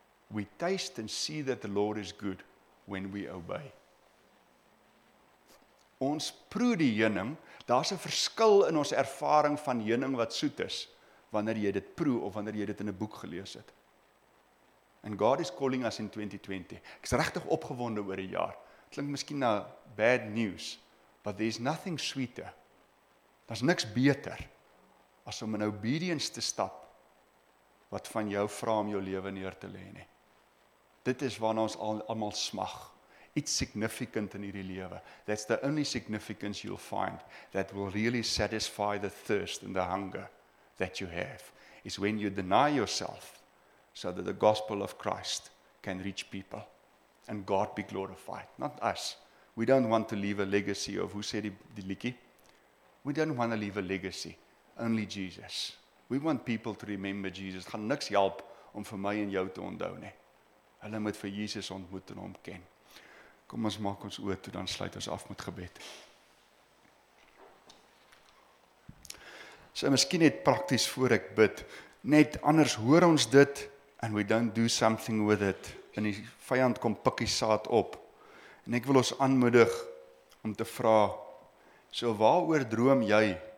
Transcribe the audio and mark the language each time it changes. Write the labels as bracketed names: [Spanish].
[English] We taste and see that the Lord is good when we obey. [Afrikaans] Ons proe die heuning, daar's 'n verskil in ons ervaring van heuning wat soet is, wanneer jy dit proe of wanneer jy dit in 'n boek gelees het. [English] And God is calling us in 2020. [Afrikaans] Ek is regtig opgewonde oor die jaar. Klink miskien na [English] bad news, but there's nothing sweeter. [Afrikaans] Daar's niks beter as om in obedience te stap wat van jou vra om jou lewe neer te lê nie. Dit is waarna ons almal smag. [English] It's significant [Afrikaans] in hierdie lewe. [English] That's the only significance you'll find that will really satisfy the thirst and the hunger that you have is when you deny yourself so that the gospel of Christ can reach people and God be glorified, not us. We don't want to leave a legacy of, who said the liekie? We don't want to leave a legacy, only Jesus. We want people to remember Jesus. [Afrikaans] Gaan niks help om vir my en jou te onthou nie. Hulle moet vir Jesus ontmoet en hom ken. Kom ons maak ons oë toe, dan sluit ons af met gebed. So, miskien net prakties voor ek bid, net anders hoor ons dit, [English] and we don't do something with it, [Afrikaans] en die vyand kom pikkie saad op, en ek wil ons aanmoedig om te vra, so waaroor droom jy